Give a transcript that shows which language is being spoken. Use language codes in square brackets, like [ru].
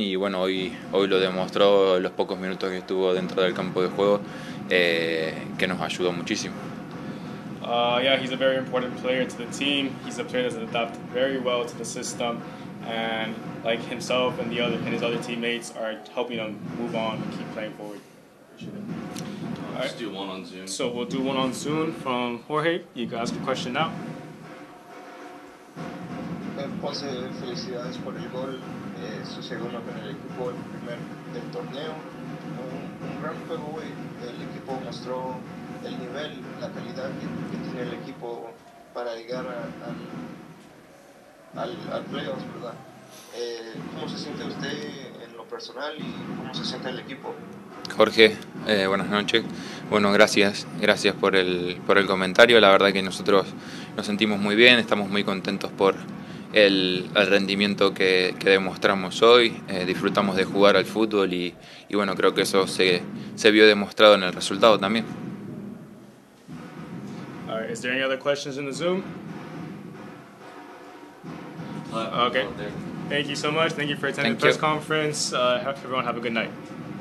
[es] Y bueno, hoy lo demostró los pocos minutos que estuvo dentro del campo de juego, que nos ayudó muchísimo. [en] He's a very important player to the team. He's a player that's adapted very well to the system, and like himself and the other and his other teammates are helping him move on and keep playing forward. Let's do one on Zoom. So we'll do one on Zoom from Jorge. You can ask a question now. [es] Ponce, felicidades por el gol. Su segundo con el equipo, el primer del torneo. Un gran juego hoy. El equipo mostró el nivel, la calidad que tiene el equipo para llegar al playoffs, ¿verdad? ¿Cómo se siente usted en lo personal y cómo se siente el equipo? Jorge, buenas noches. Bueno, gracias por el comentario. La verdad que nosotros nos sentimos muy bien, estamos muy contentos por el rendimiento que demostramos hoy. Disfrutamos de jugar al fútbol y bueno, creo que eso se vio demostrado en el resultado también. [en] All right, is there any other questions in the Zoom? Okay. Thank you so much. Thank you for attending the press conference. Everyone have a good night.